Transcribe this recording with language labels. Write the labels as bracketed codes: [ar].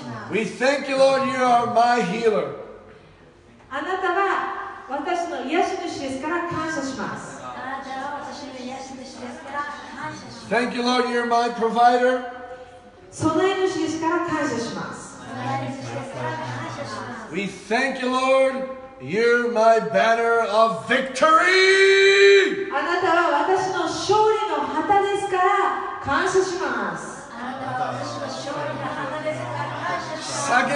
[en] We thank you, Lord, you are my healer. [ja] あなたは私の癒し主ですから感謝します。 [en] Thank you, Lord, you're my provider. [ja] 備え主ですから感謝します。 [en] We thank you, Lord, you're my banner of victory. [ja] あなたは私の勝利の旗ですから感謝します。あなたは私の勝利の旗ですから感謝します。